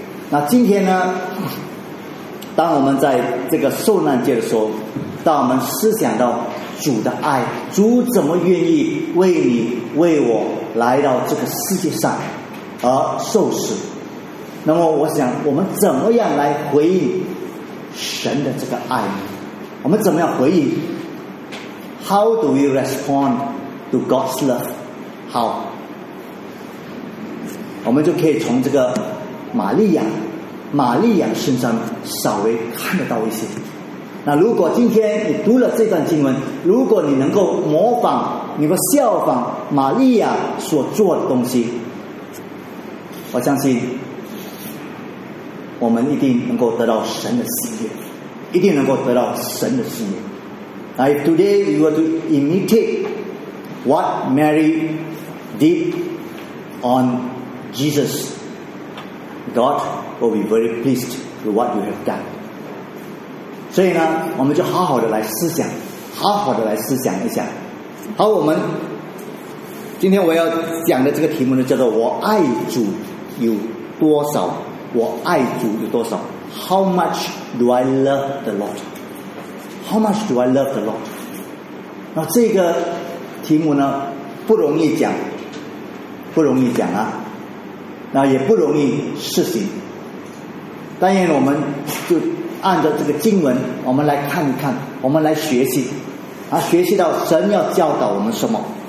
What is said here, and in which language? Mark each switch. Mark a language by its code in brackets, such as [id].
[zh] 那今天呢，当我们在这个受难节的时候，当我们思想到主的爱，主怎么愿意为你为我来到这个世界上而受死，那么我想我们怎么样来回应神的这个爱呢？我们怎么样回应？ [en] How do we respond to God's love? [zh] 好，我们就可以从这个玛利亚身上稍微看得到一些。那如果今天你读了这段经文，如果你能够模仿，你能够效仿玛利亚所做的东西，我相信我们一定能够得到神的喜悦，一定能够得到神的喜悦。 [en] Now, if today you were to imitate what Mary did on Jesus, God will be very pleased with what you have done. [zh] 所以呢，我们就好好的来思想，好好的来思想一下。好，我们今天我要讲的这个题目呢，叫做我爱主有多少，我爱主有多少。 [en] How much do I love the Lord? How much do I love the Lord? [zh] 那这个题目呢，不容易讲，不容易讲啊，那也不容易实行。但愿我们就按照这个经文，我们来看一看，我们来学习，啊，学习到神要教导我们什么。